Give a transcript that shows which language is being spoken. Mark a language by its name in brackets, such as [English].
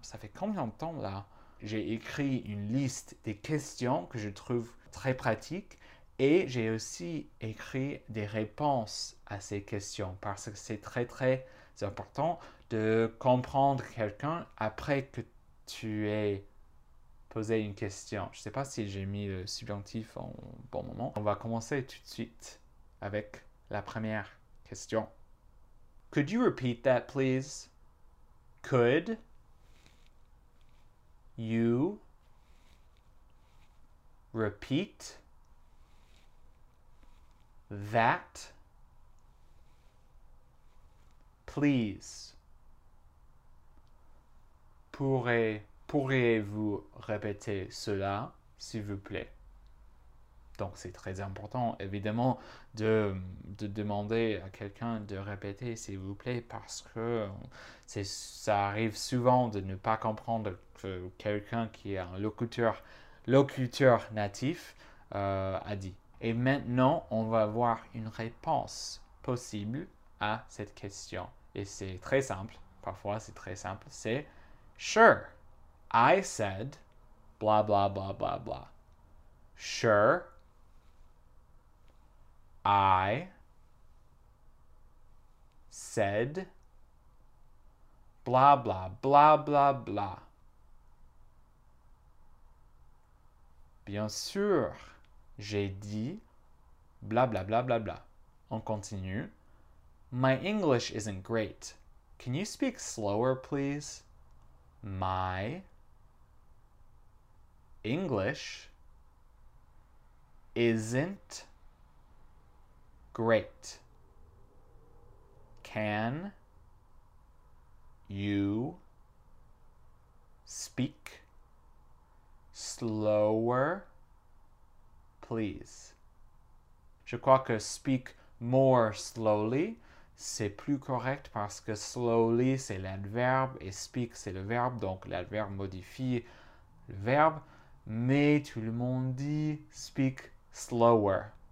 [French] Ça fait combien de temps là? J'ai écrit une liste des questions que je trouve très pratiques et j'ai aussi écrit des réponses à ces questions parce que c'est très très important de comprendre quelqu'un après que tu aies posé une question. Je ne sais pas si j'ai mis le subjonctif au bon moment. On va commencer tout de suite avec la première question. [English] Could you repeat that, please? Could you repeat that, please? [French] Pourriez-vous répéter cela, s'il vous plaît? Donc, c'est très important, évidemment, de demander à quelqu'un de répéter, s'il vous plaît, parce que ça arrive souvent de ne pas comprendre que quelqu'un qui est un locuteur natif a dit. Et maintenant, on va voir une réponse possible à cette question. Et c'est très simple, parfois c'est très simple, c'est [English] Sure, I said, blah, blah, blah, blah, blah. Sure. I said blah blah blah blah blah. [French] Bien sûr, j'ai dit blah blah blah blah blah. On continue. [English] My English isn't great. Can you speak slower, please? My English isn't great. Can you speak slower, please? [French] Je crois que [English] speak more slowly, [French] c'est plus correct parce que slowly, c'est l'adverbe et speak, c'est le verbe. Donc, l'adverbe modifie le verbe. Mais tout le monde dit [English] speak slower.